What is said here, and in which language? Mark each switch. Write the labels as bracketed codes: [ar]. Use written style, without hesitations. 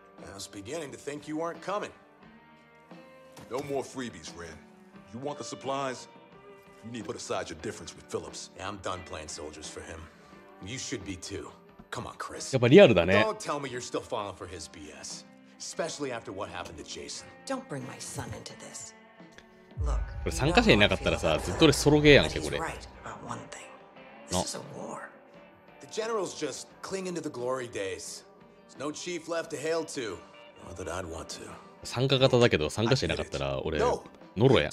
[en] I was beginning to think you weren't coming. No more freebies, Ren. You want the supplies? You need to put aside your difference with Phillips. Yeah, I'm done playing soldiers for him. You should be too. Come on, Chris. [ja] やっぱリアルだね。 [en] Don't tell me you're still falling for his BS. Especially after what happened to Jason. Don't bring my son into this. Look, [ja] これ参加者いなかったらさ、ずっと俺ソロゲーやんけ、これ。 [en] But he's right about one thing. This is a war. The general's just clinging to the glory days. There's no chief left to hail to. Not that I'd want to. [ja] 参加型だけど参加していなかったら俺ノラやん。